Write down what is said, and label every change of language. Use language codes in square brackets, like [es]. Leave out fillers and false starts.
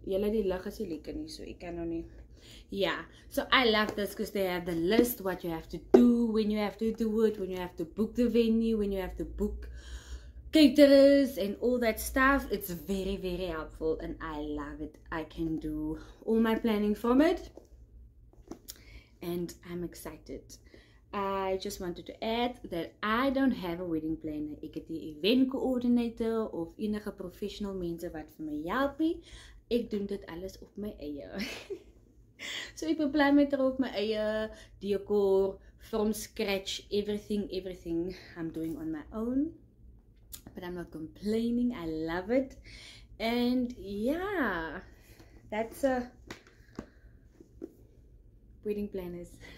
[en] Yeah, so I love this because they have the list, what you have to do, when you have to do it, when you have to book the venue, when you have to book caterers and all that stuff. It's very, very helpful and I love it. I can do all my planning from it and I'm excited. I just wanted to add that I don't have a wedding planner. [af] Ek het nie 'n event coordinator of enige professional mense wat vir my help nie. Ek doen dit alles op my eie. So ek beplan met op my eie decor [en] from scratch, everything I'm doing on my own. But I'm not complaining. I love it. And yeah, that's a wedding planners.